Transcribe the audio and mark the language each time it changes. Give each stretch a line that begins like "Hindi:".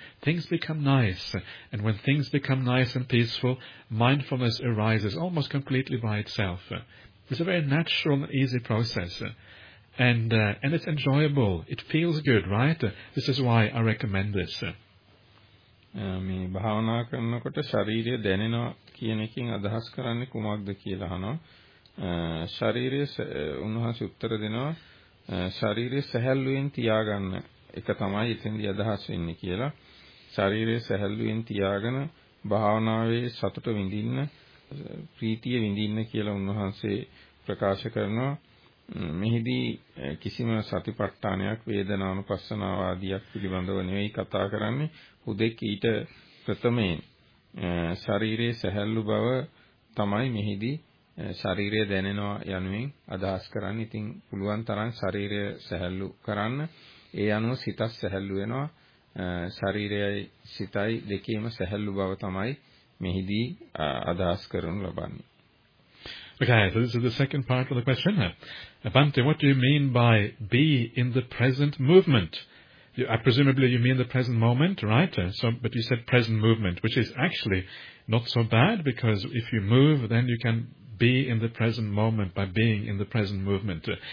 English: Things become nice. And when things become nice and peaceful, mindfulness arises almost completely by itself. It's a very natural and easy process. And it's enjoyable. It feels good, right? This is why I recommend this.
Sinhala: මේ භාවනා කරනකොට ශරීරය දැනෙනවා කියන එකකින් අදහස් කරන්නේ කුමක්ද කියලා අහනවා. ශරීරයේ උන්වහන්සේ උත්තර දෙනවා ශරීරයේ සැහැල්ලුවෙන් තියාගන්න එක තමයි එතෙන්දී අදහස් වෙන්නේ කියලා. ශරීරයේ සැහැල්ලුවෙන් තියාගෙන භාවනාවේ සතුට විඳින්න, ප්‍රීතිය විඳින්න කියලා උන්වහන්සේ ප්‍රකාශ කරනවා. මෙහිදී කිසිම සතිපට්ඨානයක් වේදනානුපස්සනාව ආදියක් පිළිබඳව නෙවෙයි කතා කරන්නේ. හුදෙක ඊට ප්‍රථමයෙන් ශරීරයේ සැහැල්ලු බව තමයි මෙහිදී ශරීරය දැනෙනවා යනුවෙන් අදහස් කරන්නේ. ඉතින් පුළුවන් තරම් ශරීරය සැහැල්ලු කරන්න. ඒ අනුව සිතත් සැහැල්ලු වෙනවා. ශරීරයයි සිතයි දෙකේම සැහැල්ලු බව තමයි මෙහිදී අදහස් කරනු ලබන්නේ.
English: Okay, so this is the second part of the question. Bhante, what do you mean by be in the present movement? Presumably you mean the present moment, right? But you said present movement, which is actually not so bad, because if you move, then you can be in the present moment by being in the present movement.